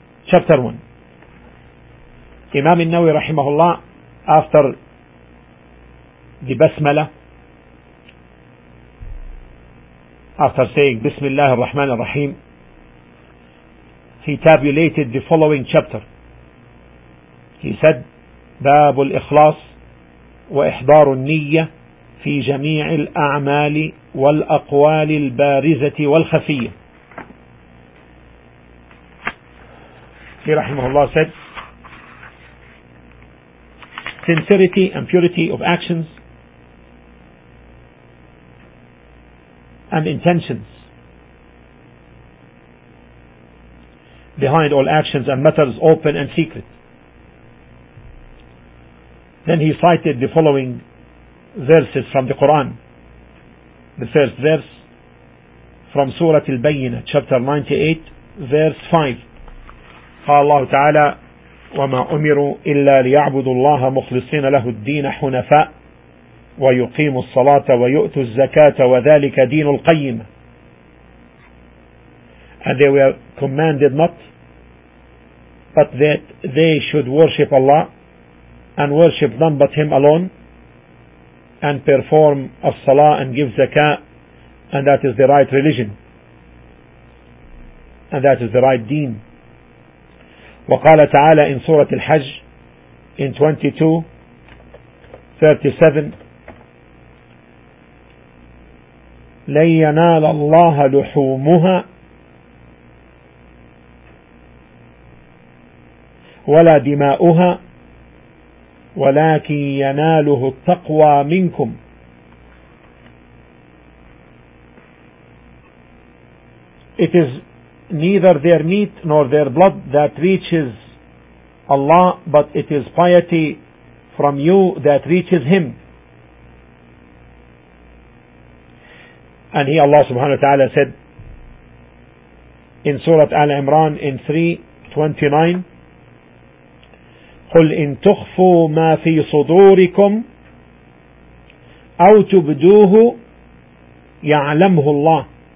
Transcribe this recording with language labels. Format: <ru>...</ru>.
<en>Chapter 1. Imam An-Nawawi rahimahullah, after the basmala, after saying Bismillah ar-Rahman ar-Rahim, he tabulated the following chapter.</en> <ar>He said, باب الإخلاص وإحضار النية في جميع الأعمال والأقوال البارزة والخفية.</ar> <en>He</en> <ar>رحمه الله</ar> <en>said, sincerity and purity of actions and intentions behind all actions and matters open and secret. Then he cited the following verses from the Quran. The first verse from Surah Al-Bayyinah, chapter 98, verse 5.</en> <ar>قال الله تعالى وما أمروا إلا ليعبدوا الله مخلصين له الدين حنفاء ويقيموا الصلاة ويؤتوا الزكاة وذلك دين القيم.</ar> <en>And they were commanded not but that they should worship Allah and worship none but Him alone and perform as-salah and give zakah, and that is the right religion and that is the right deen.</en> <ar>وقال تعالى</ar> <en>in Surah Al-Hajj in 22:37</en> <ar>لَنْ يَنَالَ اللَّهَ لُحُومُهَا وَلَا دِمَاؤُهَا وَلَكِنْ يَنَالُهُ التَّقْوَى مِنْكُمْ.</ar> <en>It is neither their meat nor their blood that reaches Allah, but it is piety from you that reaches Him. And He, Allah subhanahu wa ta'ala, said in Surah Al-Imran in 3:29,</en> <ar>قُلْ إِن تُخْفُوا مَا فِي صُدُورِكُمْ أَوْ تُبْدُوهُ يَعْلَمْهُ اللَّهُ.</ar>